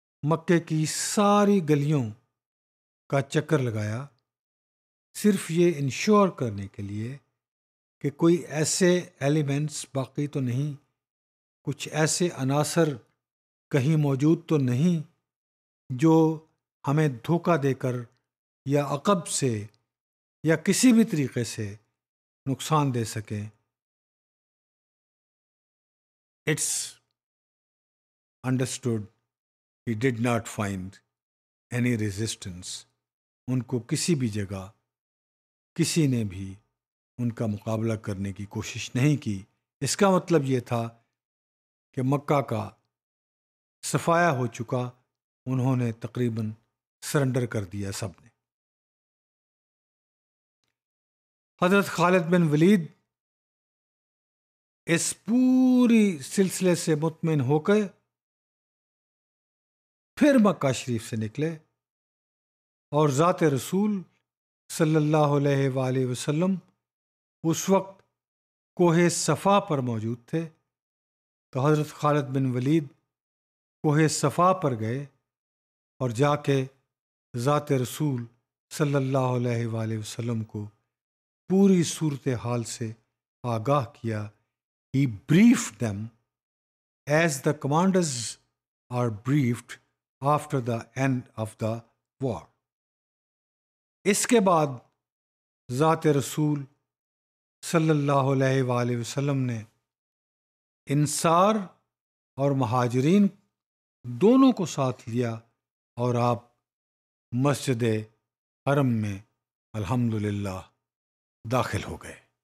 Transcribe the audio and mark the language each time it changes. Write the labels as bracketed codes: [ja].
[ur] مکے کی ساری گلیوں کا چکر لگایا, صرف یہ انشور کرنے کے لیے کہ کوئی ایسے ایلیمنٹس باقی تو نہیں, کچھ ایسے عناصر کہیں موجود تو نہیں جو ہمیں دھوکہ دے کر یا عقب سے یا کسی بھی طریقے سے نقصان دے سکیں. [en] It's understood he did not find any resistance. [ur] ان کو کسی بھی جگہ کسی نے بھی ان کا مقابلہ کرنے کی کوشش نہیں کی. اس کا مطلب یہ تھا کہ مکہ کا صفایا ہو چکا, انہوں نے تقریباً سرنڈر کر دیا سب نے. حضرت خالد بن ولید اس پوری سلسلے سے مطمئن ہو کے پھر مکہ شریف سے نکلے اور ذات رسول صلی اللہ علیہ وآلہ وسلم اس وقت کوہ صفا پر موجود تھے. تو حضرت خالد بن ولید کوہ صفا پر گئے اور جا کے ذات رسول صلی اللہ علیہ وآلہ وسلم کو پوری صورتحال سے آگاہ کیا. [en] He briefed them as the commanders are briefed after the end of the war. [ur] اس کے بعد ذات رسول صلی اللہ علیہ وآلہ وسلم نے انصار اور مہاجرین دونوں کو ساتھ لیا اور آپ مسجد حرم میں الحمدللہ داخل ہو گئے۔